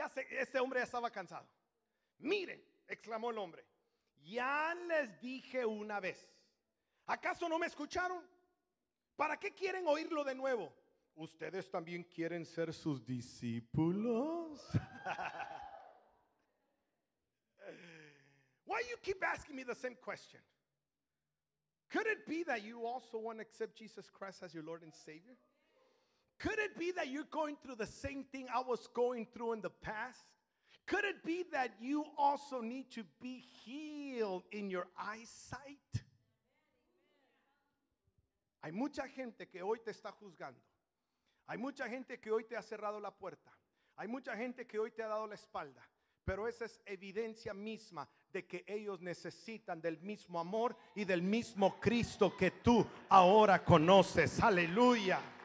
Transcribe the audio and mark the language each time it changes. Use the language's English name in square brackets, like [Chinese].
[Spanish] Este hombre ya estaba cansado. Miren, exclamó el hombre. Ya les dije una vez. ¿Acaso no me escucharon? ¿Para qué quieren oírlo de nuevo? ¿Ustedes también quieren ser sus discípulos? [English] Why you keep asking me the same question? Could it be that you also want to accept Jesus Christ as your Lord and Savior? Could it be that you're going through the same thing I was going through in the past? Could it be that you also need to be healed in your eyesight? [Spanish] Hay mucha gente que hoy te está juzgando. Hay mucha gente que hoy te ha cerrado la puerta. Hay mucha gente que hoy te ha dado la espalda. Pero esa es evidencia misma de que ellos necesitan del mismo amor y del mismo Cristo que tú ahora conoces. Aleluya.